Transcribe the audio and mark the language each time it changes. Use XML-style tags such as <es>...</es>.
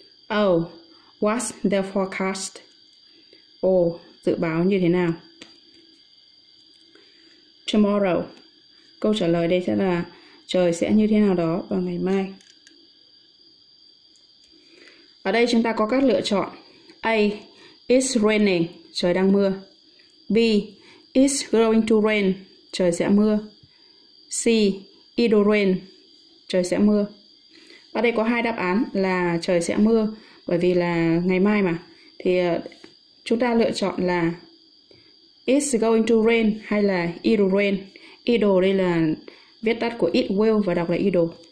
<en>Oh, what's the forecast?</en> <vi>Oh, dự báo như thế nào?</vi> <en>Tomorrow.</en> <vi>Câu trả lời đây sẽ là trời sẽ như thế nào đó vào ngày mai. Ở đây chúng ta có các lựa chọn.</vi> <en>A. It's raining.</en> <vi>Trời đang mưa.</vi> <en>B. It's going to rain.</en> <vi>Trời sẽ mưa.</vi> <en>C. It'll rain.</en> <vi>trời sẽ mưa. Ở đây có hai đáp án là trời sẽ mưa, bởi vì là ngày mai mà. Thì chúng ta lựa chọn là</vi> <en>it's going to rain</en> <vi>hay là</vi> <en>it'll rain.</en> <vi>It'll đây là viết tắt của it will và đọc là it'll.</vi>